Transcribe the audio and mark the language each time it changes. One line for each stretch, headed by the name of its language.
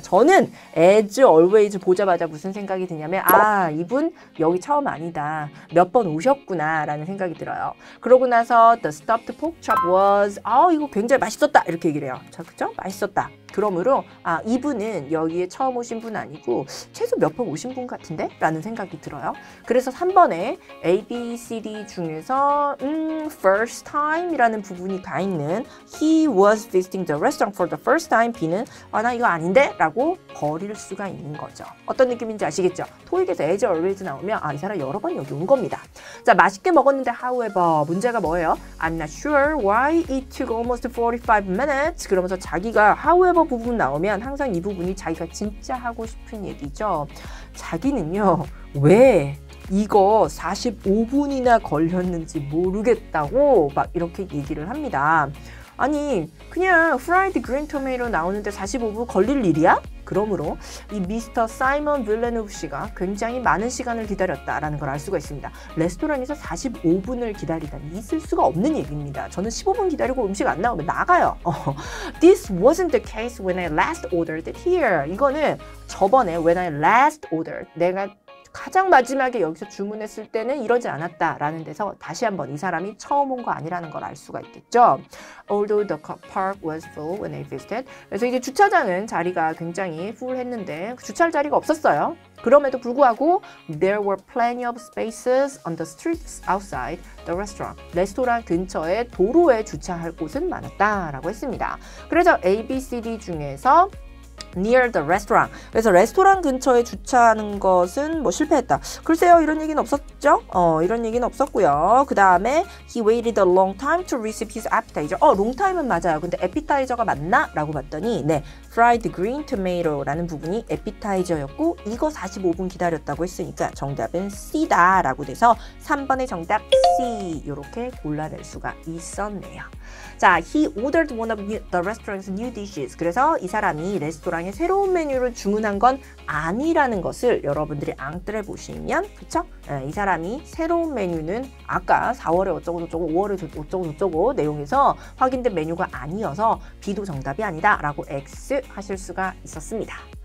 Korean: 저는
English: as always
Korean: 보자마자 무슨 생각이 드냐면 아, 이분 여기 처음 아니다. 몇 번 오셨구나 라는 생각이 들어요. 그러고 나서
English: the stuffed pork chop was
Korean: 아, 이거 굉장히 맛있었다 이렇게 얘기를 해요. 자, 그쵸? 맛있었다. 그러므로 아, 이분은 여기에 처음 오신 분 아니고 최소 몇 번 오신 분 같은데? 라는 생각이 들어요. 그래서 3번에 A, B, C, D 중에서
English: first time
Korean: 이라는 부분이 가 있는
English: he was visiting the restaurant for the first time.
Korean: B는 아, 나 이거 아닌데? 라고 버릴 수가 있는 거죠. 어떤 느낌인지 아시겠죠? 토익에서 as always 나오면 아, 이 사람 여러 번 여기 온 겁니다. 자, 맛있게 먹었는데 however 문제가 뭐예요?
English: I'm not sure why it took almost 45 minutes
Korean: 그러면서 자기가 however 부분 나오면 항상 이 부분이 자기가 진짜 하고 싶은 얘기죠. 자기는요 왜 이거 45분이나 걸렸는지 모르겠다고 막 이렇게 얘기를 합니다. 아니 그냥 프라이드 그린 토마토 나오는데 45분 걸릴 일이야? 그러므로 이 미스터 사이먼 빌레누브 씨가 굉장히 많은 시간을 기다렸다라는 걸 알 수가 있습니다. 레스토랑에서 45분을 기다리다니 있을 수가 없는 얘기입니다. 저는 15분 기다리고 음식 안 나오면 나가요.
English: This wasn't the case when I last ordered it here.
Korean: 이거는 저번에
English: when I last ordered
Korean: 내가 가장 마지막에 여기서 주문했을 때는 이러지 않았다라는 데서 다시 한번 이 사람이 처음 온 거 아니라는 걸 알 수가 있겠죠.
English: Although the park was full when I visited.
Korean: 그래서 이제 주차장은 자리가 굉장히 full 했는데 주차할 자리가 없었어요. 그럼에도 불구하고
English: there were plenty of spaces on the streets outside the restaurant.
Korean: 레스토랑 근처에 도로에 주차할 곳은 많았다라고 했습니다. 그래서 A, B, C, D 중에서
English: near the restaurant.
Korean: 그래서 레스토랑 근처에 주차하는 것은 뭐 실패했다. 글쎄요, 이런 얘기는 없었죠? 이런 얘기는 없었고요. 그 다음에
English: he waited a long time to receive his appetizer.
Korean: 롱 타임은 맞아요. 근데 appetizer가 맞나? 라고 봤더니 네, fried green tomato라는 부분이 appetizer였고 이거 45분 기다렸다고 했으니까 정답은 C다 라고 돼서 3번의 정답 C 이렇게 골라낼 수가 있었네요.
English: 자, he ordered one of the restaurant's new dishes.
Korean: 그래서 이 사람이 레스토랑의 새로운 메뉴를 주문한 건 아니라는 것을 여러분들이 앙뜰해 보시면, 그쵸? 이 사람이 새로운 메뉴는 아까 4월에 어쩌고 저쩌고 5월에 어쩌고 저쩌고 내용에서 확인된 메뉴가 아니어서 B도 정답이 아니다 라고 X 하실 수가 있었습니다.